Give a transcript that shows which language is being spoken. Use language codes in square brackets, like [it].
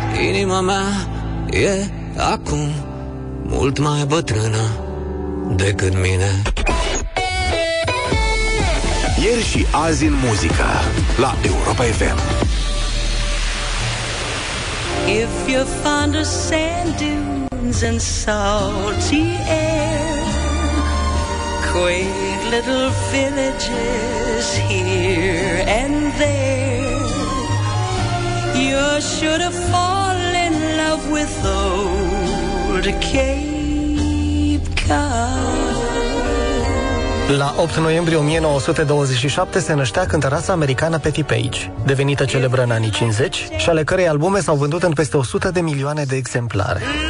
[ro] Inima mea e acum mult mai bătrână decât mine. Ieri și azi în muzică la Europa FM. [en] If you're fond of sand dunes and salty air, quaint little villages here and there, you're sure to fall with old Cape Cod. [ro] La 8 noiembrie 1927 se năștea cântăreasa americană Patti Page, devenită celebră în anii 50 și ale cărei albume s-au vândut în peste 100 de milioane de exemplare.